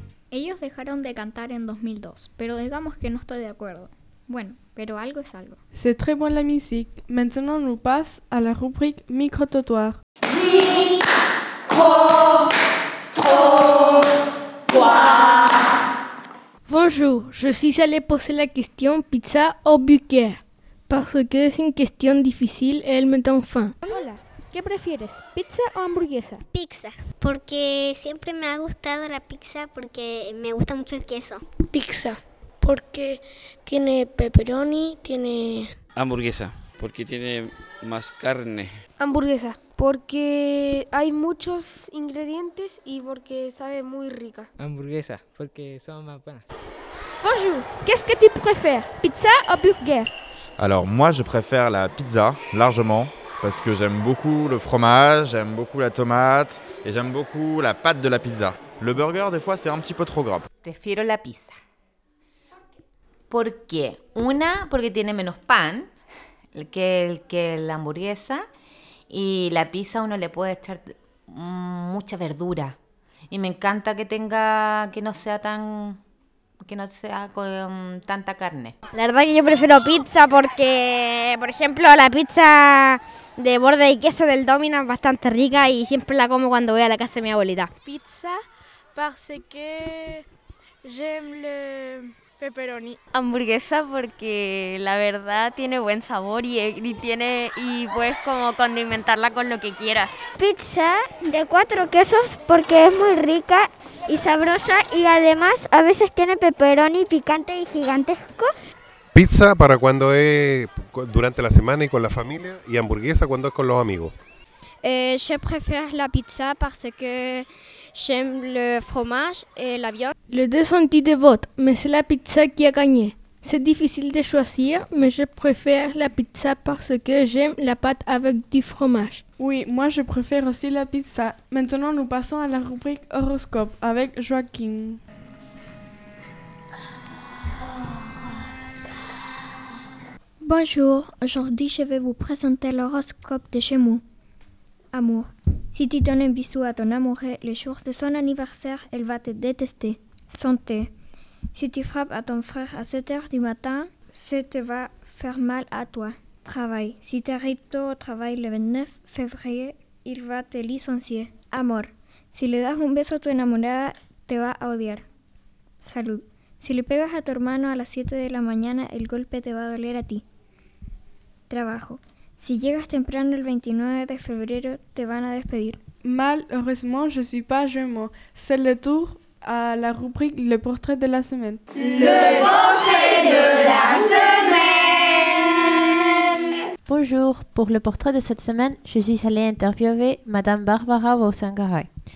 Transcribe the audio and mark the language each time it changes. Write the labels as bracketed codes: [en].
[es] Ellos dejaron de cantar en 2002, pero digamos que no estoy de acuerdo. Bueno, pero algo es algo. [fr] C'est très bon la musique. Maintenant nous passe à la rubrique micro-totoir. Bonjour, je suis allé poser la question pizza au burger parce que c'est une question difficile et elle me donne faim. [es] Hola, ¿qué prefieres, pizza o hamburguesa? Pizza, porque siempre me ha gustado la pizza porque me gusta mucho el queso. Pizza, porque tiene pepperoni, tiene... Hamburguesa, porque tiene más carne. Hamburguesa, porque hay muchos ingredientes y porque sabe muy rica. Hamburguesa, porque son más buenas. [fr] Bonjour, qu'est-ce que tu préfères, pizza ou burger? Alors moi je préfère la pizza, largement, parce que j'aime beaucoup le fromage, j'aime beaucoup la tomate et j'aime beaucoup la pâte de la pizza. Le burger, des fois, c'est un petit peu trop gras. [es] Prefiero la pizza. ¿Por qué? Una, porque tiene menos pan que la hamburguesa. Y la pizza uno le puede echar mucha verdura. Y me encanta que tenga, que no sea con tanta carne. La verdad que yo prefiero pizza porque, por ejemplo, la pizza de borde y queso del Domino es bastante rica y siempre la como cuando voy a la casa de mi abuelita. [fr] Pizza parce que j'aime le pepperoni. [es] Hamburguesa porque la verdad tiene buen sabor y puedes como condimentarla con lo que quieras. Pizza de cuatro quesos porque es muy rica y sabrosa y además a veces tiene pepperoni picante y gigantesco. Pizza para cuando es durante la semana y con la familia y hamburguesa cuando es con los amigos. [fr] Je préfère la pizza parce que j'aime le fromage et la viande. Les deux sont dits de vote, mais c'est la pizza qui a gagné. C'est difficile de choisir, mais je préfère la pizza parce que j'aime la pâte avec du fromage. Oui, moi je préfère aussi la pizza. Maintenant, nous passons à la rubrique horoscope avec Joaquin. Bonjour, aujourd'hui je vais vous présenter l'horoscope de chez moi. Amour, si tu donnes un bisou à ton amouré le jour de son anniversaire, elle va te détester. Santé, si tu frappes à ton frère à 7h du matin, ça te va faire mal à toi. Travail, si tu arrives tôt au travail le 29 février, il va te licencier. [es] Amour, si le das un beso a tu enamorada, te va a odiar. Salud, si le pegas a tu hermano a las 7 de la mañana, el golpe te va a doler a ti. Trabajo, Si llegas temprano el 29 de febrero, te van a despedir. [fr] Malheureusement, je suis pas jumeau. C'est le tour à la rubrique Le portrait de la semaine. Le portrait de la semaine. Bonjour, pour le portrait de cette semaine, je suis allée interviewer Madame Barbara Wosangaray.